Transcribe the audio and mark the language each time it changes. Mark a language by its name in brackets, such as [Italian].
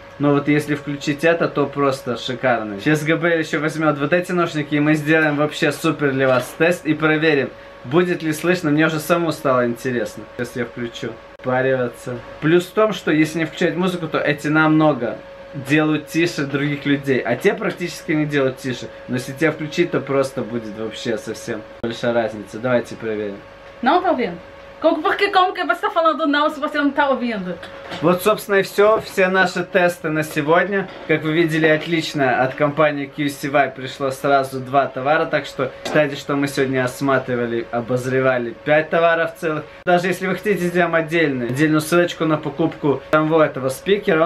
[Russian] Но вот если включить это, то просто шикарно. Сейчас Габриэль еще возьмет вот эти наушники, и мы сделаем вообще супер для вас тест и проверим, будет ли слышно. Мне уже самому стало интересно. Сейчас я включу. Париваться. Плюс в том, что если не включать музыку, то эти намного делают тише других людей. А те практически не делают тише. Но если тебя включить, то просто будет вообще совсем большая разница. Давайте проверим. [Portuguese] Não tá ouvindo? Como que você tá falando não, se você não tá ouvindo? [Russian] Вот, собственно, и все. Все наши тесты на сегодня. Как вы видели, отлично. От компании QCY пришло сразу два товара. Так что считайте, что мы сегодня осматривали, обозревали 5 товаров целых. Даже если вы хотите, сделаем отдельную ссылочку на покупку самого этого спикера.